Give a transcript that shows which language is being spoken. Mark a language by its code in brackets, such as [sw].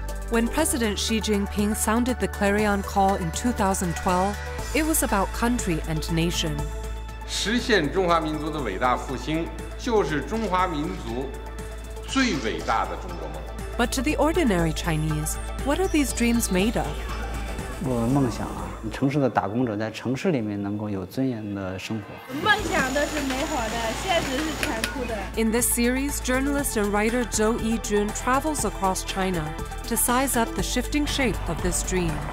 [en] When President Xi Jinping sounded the clarion call in 2012, it was about country and nation. [zh] 实现中华民族的伟大复兴，就是中华民族最伟大的中国梦。 [en] But to the ordinary Chinese, what are these dreams made of? [zh] 我的梦想啊，城市的打工者在城市里面能够有尊严的生活。梦想都是美好的，现实是残酷的。In [en] this series, journalist and writer Zhou Yi Jun travels across China to size up the shifting shape of this dream.